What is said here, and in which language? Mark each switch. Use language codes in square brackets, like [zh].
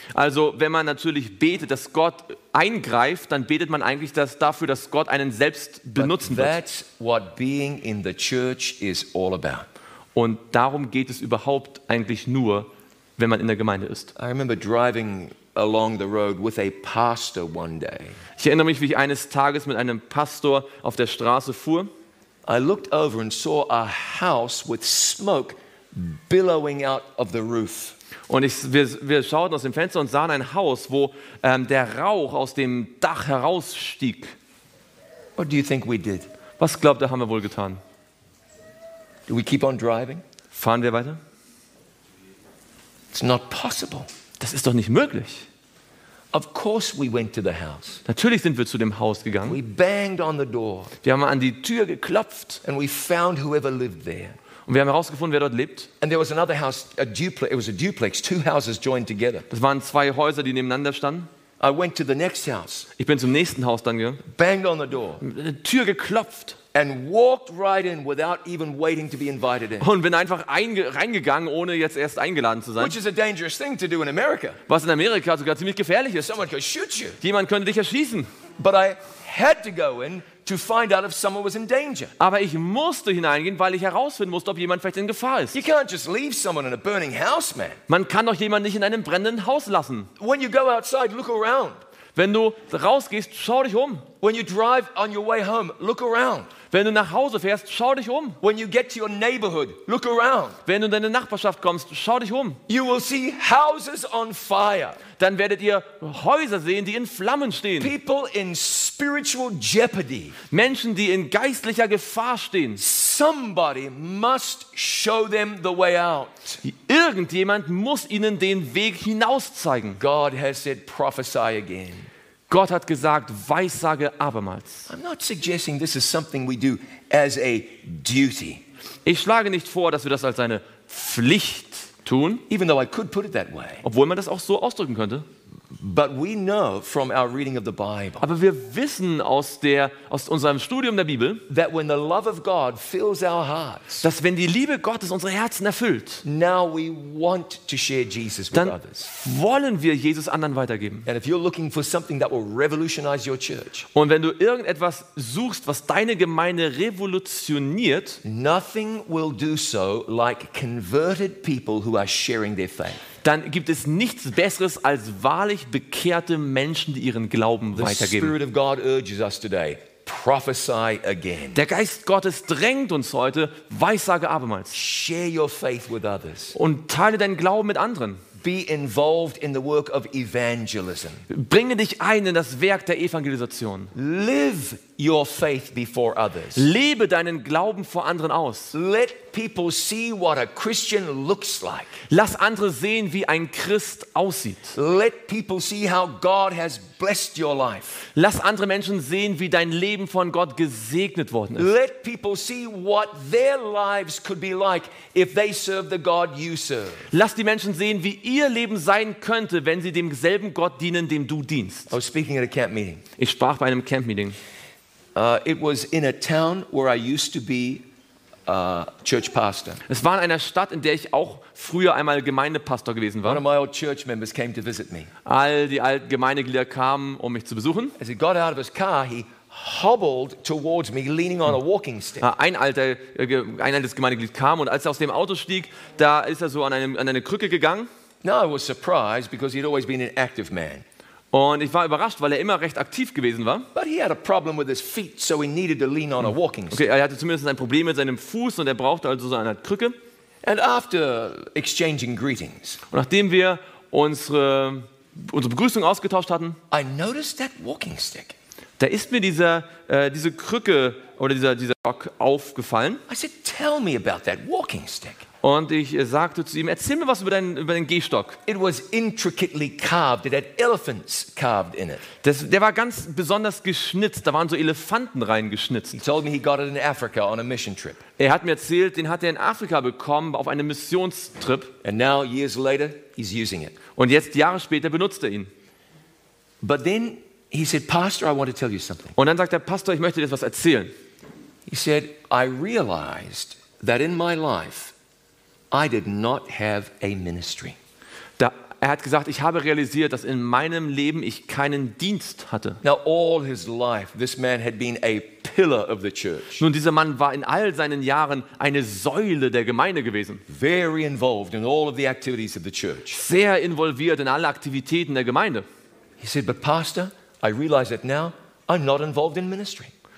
[de] Also, wenn man natürlich betet, dass Gott eingreift, dann betet man eigentlich dafür, dass Gott einen selbst benutzen wird. [en] But that's what being in the church is all about. [de] Und darum geht es überhaupt eigentlich nur, wenn man in der Gemeinde ist. [en] I remember driving along the road with a pastor one day. [de] Ich erinnere mich, wie ich eines Tages mit einem Pastor auf der Straße fuhr. [en] I looked over and saw a house with smoke billowing out of the roof. [de] Und wir schauten aus dem Fenster und sahen ein Haus, wo der Rauch aus dem Dach herausstieg. [en] What do you think we did? [de] Was glaubt ihr, haben wir wohl getan? [en] Do we keep on driving? [de] Fahren wir weiter? [en] It's not possible. [de] Das ist doch nicht möglich. [en] Of course we went to the house. [de] Natürlich sind wir zu dem Haus gegangen. [en] We banged on the door. [de] Wir haben an die Tür geklopft. [en] And we found whoever lived there. [de] Und wir haben herausgefunden, wer dort lebt. [en] And there was another house, a duplex. It was a duplex, two houses joined together. [de] Das waren zwei Häuser, die nebeneinander standen. [en] I went to the next house. [de] Ich bin zum nächsten Haus dann gegangen. [en] Banged on the door. [de] Die Tür geklopft. [en] And walked right in without even waiting to be invited in. [de] Und bin einfach reingegangen, ohne jetzt erst eingeladen zu sein. [en] Which is a dangerous thing to do in America. [de] Was in Amerika sogar ziemlich gefährlich ist. [en] Someone could shoot you. [de] Jemand könnte dich erschießen. [en] But I had to go in to find out if someone was in danger. [de] Aber ich musste hineingehen, weil ich herausfinden musste, ob jemand vielleicht in Gefahr ist. [en] You can't just leave someone in a burning house, man. [de] Man kann doch jemanden nicht in einem brennenden Haus lassen. [en] When you go outside, look around. [de] Wenn du rausgehst, schau dich um. [en] When you drive on your way home, look around. [de] Wenn du nach Hause fährst, schau dich um. [en] When you get to your neighborhood, look around. [de] Wenn du in deine Nachbarschaft kommst, schau dich um. [en] You will see houses on fire. [de] Dann werdet ihr Häuser sehen, die in Flammen stehen. [en] People in spiritual jeopardy. [de] Menschen, die in geistlicher Gefahr stehen. [en] Somebody must show them the way out. [de] Irgendjemand muss ihnen den Weg hinaus zeigen. [en] God has said, prophesy again. [de] Gott hat gesagt, weissage abermals. [en] I'm not suggesting this is something we do as a duty. [de] Ich schlage nicht vor, dass wir das als eine Pflicht tun, [en] even though I could put it that way. [de] Obwohl man das auch so ausdrücken könnte. [en] But we know from our reading of the Bible, [de] aber wir wissen aus unserem Studium der Bibel, [en] that when the love of God fills our hearts, [de] dass wenn die Liebe Gottes unsere Herzen erfüllt, [en] now we want to share Jesus with others. [de] Dann wollen wir Jesus anderen weitergeben. [en] And if you're looking for something that will revolutionize your church, [de] und wenn du irgendetwas suchst, was deine Gemeinde revolutioniert, [en] nothing will do so like converted people who are sharing their faith. [de] Dann gibt es nichts Besseres als wahrlich bekehrte Menschen, die ihren Glauben weitergeben. [en] The Spirit of God urges us today, prophesy again. [de] Der Geist Gottes drängt uns heute, weissage abermals. [en] Share your faith with others. [de] Und teile deinen Glauben mit anderen. [en] Be involved in the work of evangelism. [de] Bringe dich ein in das Werk der Evangelisation. [en] Live your faith before others. [de] Lebe deinen Glauben vor anderen aus. [en] Let people see what a Christian looks like. [de] Lass andere sehen, wie ein Christ aussieht. [en] Let people see how God has blessed your life. [de] Lass andere Menschen sehen, wie dein Leben von Gott gesegnet worden ist. [en] Let people see what their lives could be like if they serve the God you serve. [de] Lass die Menschen sehen, wie ihr Leben sein könnte, wenn sie demselben Gott dienen, dem du dienst. [en] I was speaking at a camp meeting. [de] Ich sprach bei einem Camp Meeting. [en] It was in a town where I used to be church pastor. [de] Es war in einer Stadt, in der ich auch früher einmal Gemeindepastor gewesen war. [en] One of my old church members came to visit me. [de] All die alten Gemeindeglieder kamen, um mich zu besuchen. [en] As he got out of his car, he hobbled towards me, leaning on a walking stick. [de] Ein altes Gemeindeglied kam und als er aus dem Auto stieg, da ist er so an eine Krücke gegangen. [en] Now I was surprised because he'd always been an active man. [de] Und ich war überrascht, weil er immer recht aktiv gewesen war. [en] But he had a problem with his feet, so he needed to lean on a walking stick. [de] Okay, er hatte zumindest ein Problem mit seinem Fuß und er brauchte also so eine Krücke. [en] And after exchanging greetings, [de] und nachdem wir unsere Begrüßung ausgetauscht hatten, [en] I noticed that walking stick. [de] Da ist mir diese Krücke oder dieser Stock aufgefallen. [en] I said, tell me about that walking stick. [de] Und ich sagte zu ihm, erzähl mir was über deinen Gehstock. [en] It was intricately carved. It had elephants carved in it. [de] Der war ganz besonders geschnitzt. Da waren so Elefanten reingeschnitzt. [en] He told me he got it in Africa on a mission trip. [de] Er hat mir erzählt, den hat er in Afrika bekommen auf einem Missionstrip. [en] And now years later, he's using it. [de] Und jetzt Jahre später benutzt er ihn. [en] But then he said, Pastor, I want to tell you something. [de] Und dann sagt der Pastor, ich möchte dir etwas erzählen. [en] He said, I realized that in my life I did not have a ministry. [de] Er hat gesagt, ich habe realisiert, dass in meinem Leben ich keinen Dienst hatte. [en] Now all his life this man had been a pillar of the church. [de] Nun, dieser Mann war in all seinen Jahren eine Säule der Gemeinde gewesen. [en] Very involved in all of the activities of the church. [de] Sehr involviert in alle Aktivitäten der Gemeinde. [en] He said, but Pastor, I realize that now I'm not involved in ministry.